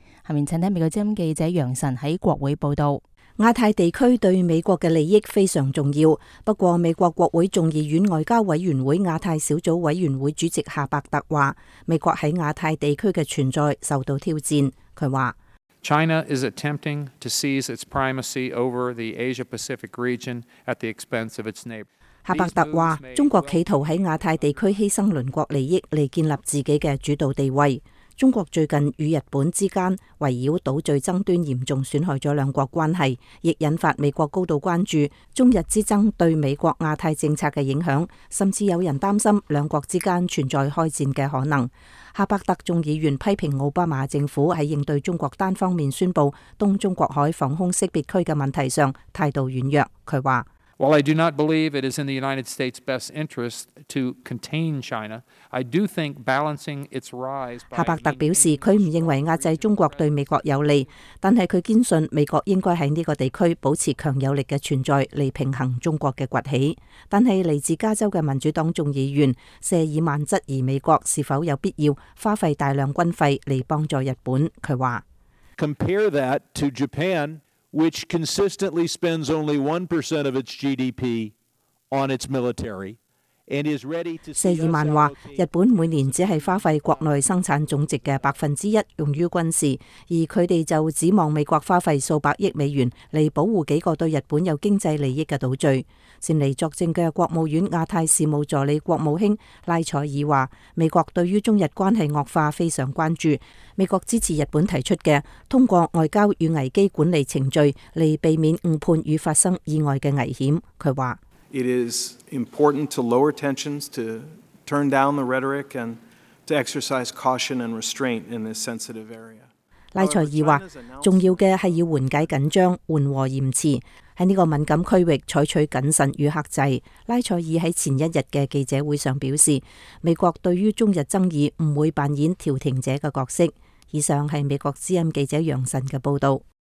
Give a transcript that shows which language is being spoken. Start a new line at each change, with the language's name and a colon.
Chinese: 下面请听美国之音记者杨晨在国会报道。亚太地区对美国的利益非常重要，不过美国国会众议院外交委员会亚太小组委员会主席夏伯特说，美国在亚太地区的存在受到挑战。他说，
English: China is attempting to seize its primacy over the Asia-Pacific region at the expense of its neighbor。
Chinese: 夏伯特说，中国企图在亚太地区牺牲邻国利益来建立自己的主导地位。中国最近与日本之间围绕岛屿争端严重损害了两国关系，亦引发美国高度关注中日之争对美国亚太政策的影响，甚至有人担心两国之间存在开战的可能。夏伯特众议员批评奥巴马政府在应对中国单方面宣布东中国海防空识别区的问题上态度软弱。他说，
English: While I do not believe it is in the United States' best interest to contain China,I do think balancing its rise by
Chinese: 夏伯特表示，他不认为压制中国对美国有利，但是他坚信美国应该在这个地区保持强有力的存在来平衡中国的崛起。但是来自加州的民主党众议员谢尔曼质疑美国是否有必要花费大量军费来帮助日本。他说，
English: Compare that to Japan, which consistently spends only 1% of its GDP on its military.
Chinese: 谢尔曼说，日本每年只是花费国内生产总值的1%用于军事，而他们就指望美国花费数百亿美元来保护几个对日本有经济利益的岛屿。前来作证的国务院亚太事务助理国务卿拉塞尔说，美国对于中日关系恶化非常关注，美国支持日本提出的通过外交与危机管理程序来避免误判与发生意外的危险。他说，
English: It is important to lower tensions, to turn down the rhetoric, and to exercise caution and restraint in this sensitive area.
Chinese: 拉塞尔说，重要的是要缓解紧张，缓和言辞，在这个敏感区域采取谨慎与克制。拉塞尔在前一日的记者会上表示，美国对于中日争议不会扮演调停者的角色。以上是美国之音记者杨晨的报道。